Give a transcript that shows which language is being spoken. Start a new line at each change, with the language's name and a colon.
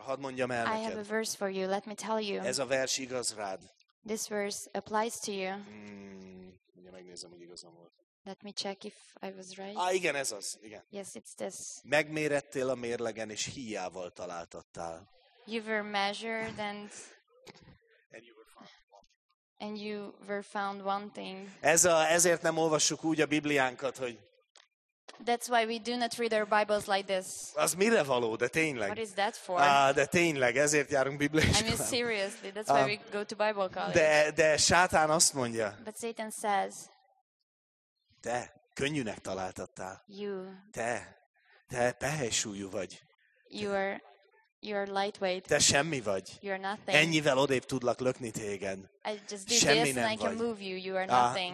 Hungarian: Hadd mondjam el neked.
English: I have a verse for you. Let me tell you.
Hungarian: Ez a vers igaz rád.
English: This verse applies to you.
Hungarian: Megnézem, hogy igazam volt.
English: Let me check if I was right.
Hungarian: Igen, ez az. Igen.
English: Yes, it's this.
Hungarian: Megmérettél a mérlegen és híjával találtattál.
English: You were measured and and you were found wanting.
Hungarian: Ezért nem olvassuk úgy a Bibliánkat, hogy.
English: That's why we do not read our Bibles like this.
Hungarian: Az mire való, de tényleg.
English: What is that for?
Hungarian: De tényleg, ezért járunk Bibliaiskolába.
English: I mean seriously, that's why we go to Bible college.
Hungarian: De Sátán azt mondja.
English: But Satan says.
Hungarian: Te könnyűnek találtattál.
English: You.
Hungarian: Te pehelysúlyú vagy.
English: You are lightweight.
Hungarian: Te semmi vagy.
English: You are nothing.
Hungarian: Ennyivel odébb tudlak lökni téged. Semmi nem vagy.
English: I can move you. You are nothing.